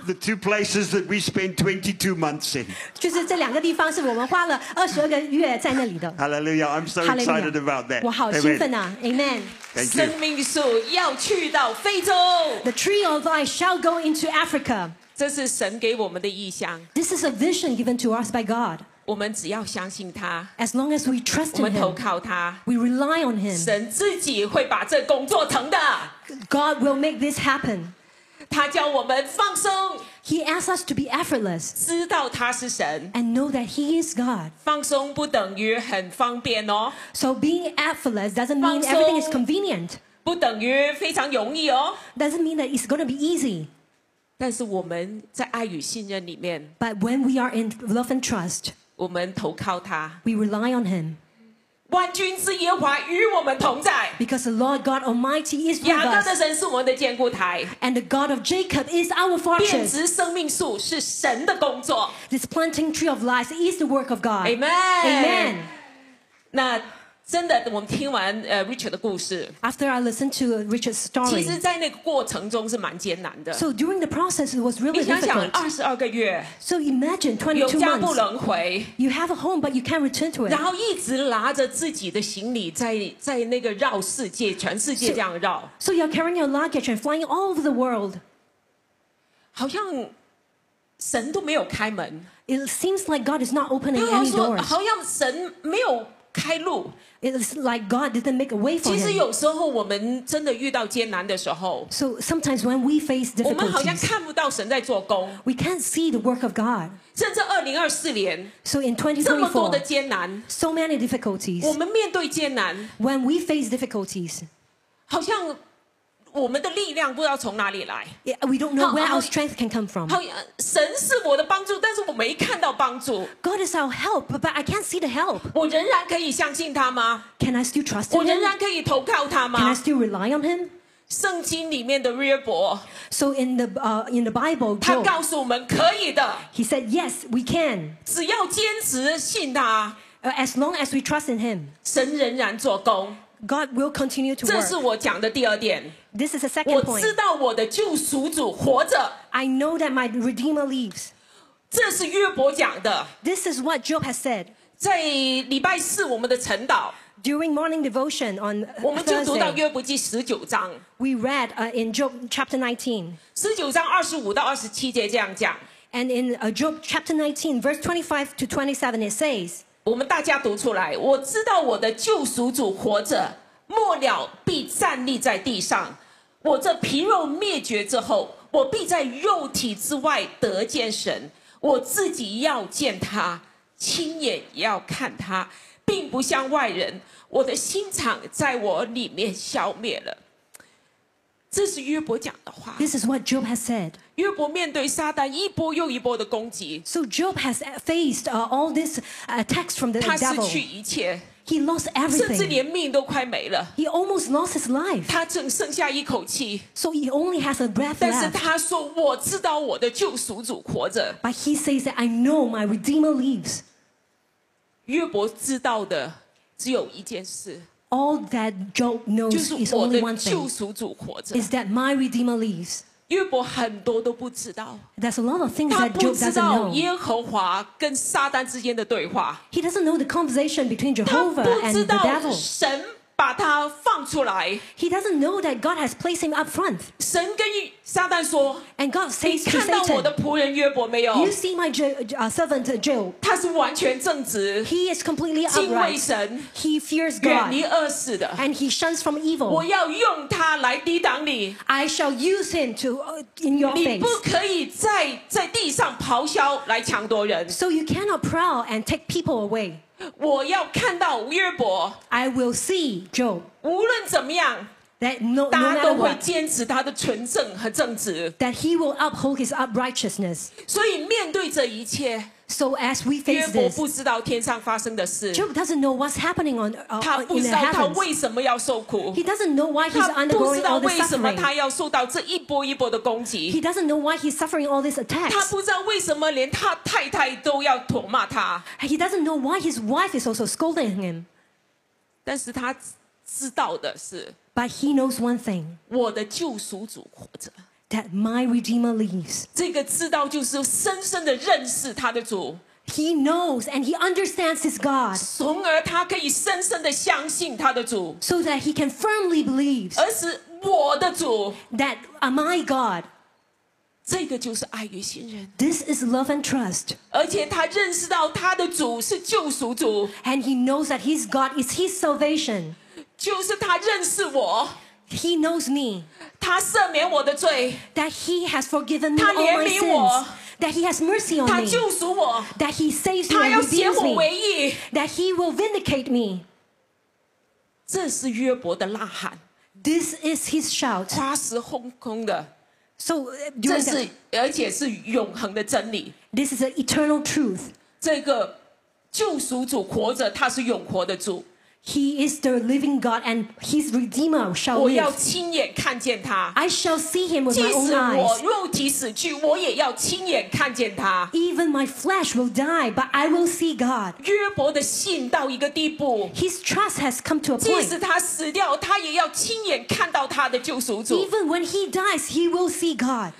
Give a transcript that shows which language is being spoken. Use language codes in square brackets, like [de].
[en] The two places that we spent 22 months in. [zh] 就是这两个地方是我们花了22个月在那里的。 [en] Hallelujah! I'm so excited about that. [zh] 我好兴奋啊 ！Amen. [en] Thank you. [zh] 生命树要去到非洲。 [en] The tree of life shall go into Africa. [zh] 这是神给我们的意象。 [en] This is a vision given to us by God. [zh] 我们只要相信他。 [en] As long as we trust in him. [zh] 我们投靠他。 [en] We rely on him. [zh] 神自己会把这工作成的。 [en] God will make this happen. [zh] 他叫我们放松。 [en] He asks us to be effortless. [zh] 知道他是神。 [en] And know that he is God. [zh] 放松不等于很方便哦。 [en] So being effortless doesn't mean everything is convenient. [zh] 不等于非常容易哦。 [en] Doesn't mean that it's going to be easy. [zh] 但是我们在爱与信任里面 [en] But when we are in love and trust [zh] 我们投靠他 [en] We rely on him [zh] 万军之耶和华与我们同在 [en] Because the Lord God Almighty is with us [zh] 雅各的神是我们的坚固台 [en] And the God of Jacob is our fortress [zh] 遍植生命树是神的工作 [en] This planting tree of life is the work of God Amen, Amen. [zh] 那真的我们听完Richard 的故事 [en] After I listened to Richard's story [zh] 其实在那个过程中是蛮艰难的 [en] So during the process it was really difficult [zh] 你想想22个月 [en] So imagine 22 months [zh] 有家不能回 [en] You have a home but you can't return to it [zh] 然后一直拿着自己的行李 在那个绕世界全世界这样绕 [en] So you're carrying your luggage and flying all over the world [zh] 好像神都没有开门 [en] It seems like God is not opening any doors [zh] 好像神没有开路 [en] It's like God didn't make a way for him. [zh] 其实有时候我们真的遇到艰难的时候 [en] So sometimes when we face difficulties [zh] 我们好像看不到神在做工 [en] We can't see the work of God. [zh] 甚至2024年 [en] So in 2024 [zh] 这么多的艰难 [en] So many difficulties [zh] 我们面对艰难 [en] When we face difficulties [zh] 好像我们的力量不知道从哪里来 [en] We don't know where our strength can come from. [zh] 好像神是我的帮助，但是我没看到帮助。 [en] God is our help, but I can't see the help. [zh] 我仍然可以相信他吗 [en] ？Can I still trust him? [zh] 我仍然可以投靠他吗 [en] ？Can I still rely on him? [zh] 圣经里面的约伯 [en] ，So in the Bible, Job, [zh] 他告诉我们可以的。 [en] He said, "Yes, we can." [zh] 只要坚持信他 [en] ，As long as we trust in him, [zh] 神仍然做工。 [en] God will continue to work. [zh] 这是我讲的第二点。 [en] This is the second point. [zh] 我知道我的救赎主活着。 [en] I know that my Redeemer lives. [zh] 这是约伯讲的。 [en] This is what Job has said. [zh] 在礼拜四我们的晨祷。 [en] During morning devotion on Thursday. [zh] 我们就读到约伯记十九章。 [en] We read in Job chapter 19. [zh] 十九章二十五到二十七节这样讲。 [en] And in Job chapter 19, verse 25 to 27, it says. [zh] 我们大家读出来我知道我的救赎主活着末了必站立在地上我这皮肉灭绝之后我必在肉体之外得见神我自己要见他亲眼要看他并不像外人我的心肠在我里面消灭了这是约伯讲的话 [en] This is what Job has said [zh] 约伯面对撒旦一波又一波的攻击 [en] So Job has faced all these attacks from the devil [zh] 他失去一切 [en] He lost everything [zh] 甚至连命都快没了 [en] He almost lost his life [zh] 他只剩下一口气 [en] So he only has a breath left [zh] 但是他说我知道我的救赎主活着 [en] But he says that I know my Redeemer lives [zh] 约伯知道的只有一件事 [en] All that Job knows is only one thing [zh] 救赎主活着 [en] Is that my Redeemer lives [zh] 约伯很多都不知道 [en] There's a lot of things that Job doesn't know [zh] 他不知道耶和华跟撒旦之间的对话 [en] He doesn't know the conversation between Jehovah and the devil [zh] 他不知道神把他放出来。 [en] He doesn't know that God has placed him up front. [zh] 神跟撒旦说 [en] ，And God says to Satan, [zh] 你看到我的仆人约伯没有 [en] ？You see my servant Job. [zh] 他是完全正直 [en] ，He is completely upright. [zh] 敬畏神 [en] ，He fears God. [zh] 远离恶事的 [en] ，And he shuns from evil. [zh] 我要用他来抵挡你。 [en] I shall use him to in your face. [zh] 你不可以在地上咆哮来抢夺人。 [en] So you cannot prowl and take people away. [zh] 我要看到约伯 [en] I will see Job [zh] 无论怎么样 [en] that no, [zh] 大家都会坚持他的纯正和正直 [en] that he will uphold his uprighteousness [zh] 所以面对这一切 [en] so as we face this [zh] 约伯不知道天上发生的事 [en] Job doesn't know what's happening on in the heavens [zh] 他不知道他为什么要受苦 [en] he doesn't know why he's undergoing all this suffering [zh] 他不知道为什么他要受到这一波一波的攻击 [en] he doesn't know why he's suffering all these attacks [zh] 他不知道为什么连他太太都要唾骂他 [en] he doesn't know why his wife is also scolding him [zh] 但是他知道的是 [en] but he knows one thing [zh] 我的救赎主活着 [en] That my Redeemer lives. [zh] 这个知道就是深深的认识他的主。 [en] He knows and he understands his God. [zh] 从而他可以深深的相信他的主。 [en] So that he can firmly believe. [zh] 而是我的主。 [en] That my God. [zh] 这个就是爱与信任。 [en] This is love and trust. [zh] 而且他认识到他的主是救赎主。 [en] And he knows that his God is his salvation. [zh] 就是他认识我。 [en] He knows me. [zh] 他赦免我的罪 [en] That he has forgiven me all my sins. That he has mercy on me. [zh] 他救赎我 [en] That he saves me and redeems me. [zh] 他要写我为义 [en] That he will vindicate me. [zh] 这是约伯的呐喊 [en] This is his shout. [zh] 夸实轰轰的 [en] So, [zh] 这是而且是永恒的真理 [en] This is an eternal truth. [zh] 这个救赎主活着，他是永活的主。 [en] He is the living God and his Redeemer shall live. [zh] 我要亲眼看见他。 [en] I shall see him with my own eyes. [zh] 即使我肉体死去，我也要亲眼看见他。 [en] Even my flesh will die, but I will see God. [zh] 约伯的信到一个地步。 [en] His trust has come to a point. [zh] 即使他死掉，他也要亲眼看到他的救赎主。 [en] Even when he dies, he will see God.